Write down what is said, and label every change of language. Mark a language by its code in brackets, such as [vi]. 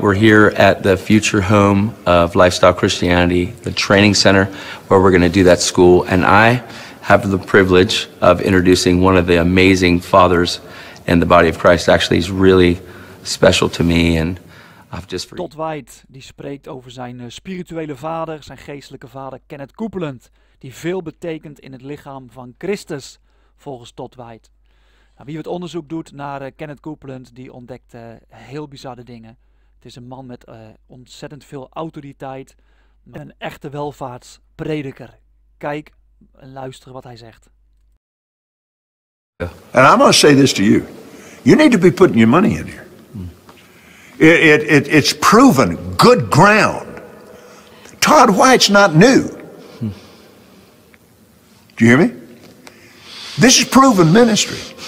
[en] We're here at the future home of Lifestyle Christianity, the training center where we're going to do that school. And I have the privilege of introducing one of the amazing fathers in the body of Christ. Actually, he's really special to me. And I've just for [nl] Todd White, die spreekt over zijn spirituele vader, zijn geestelijke vader, Kenneth Copeland, die veel betekent in het lichaam van Christus, volgens Todd White. Wie het onderzoek doet naar Kenneth Copeland, die ontdekt heel bizarre dingen. Het is een man met ontzettend veel autoriteit. Een echte welvaartsprediker. Kijk en luister wat hij zegt. [en] And I'm going to say this to you. You need to be putting your money in here. It's proven good ground. Todd White's not new. Do you hear me? This is proven ministry.